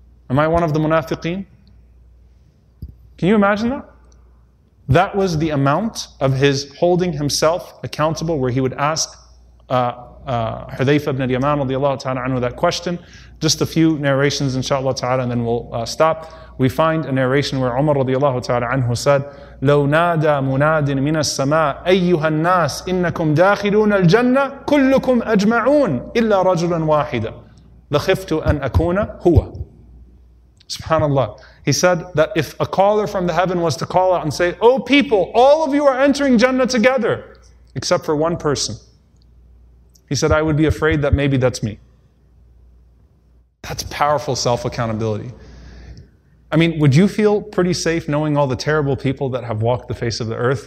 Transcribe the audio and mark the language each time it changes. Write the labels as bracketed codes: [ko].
[en] Am I one of the munafiqeen? Can you imagine that? That was the amount of his holding himself accountable, where he would ask Hudhayfa ibn al-Yaman radiallahu ta'ala anhu that question. Just a few narrations, inshaAllah ta'ala, and then we'll stop. [ar] We find a narration where Umar radiallahu ta'ala anhu said, لو نادى مناد من السماء أيها الناس إنكم داخلون الجنة كلكم أجمعون إلا رجلا واحدا لخفت أن أكون هو. Subhanallah. [en] He said that if a caller from the heaven was to call out and say, oh people, all of you are entering Jannah together, except for one person, he said, I would be afraid that maybe that's me. That's powerful self-accountability. I mean, would you feel pretty safe knowing all the terrible people that have walked the face of the earth?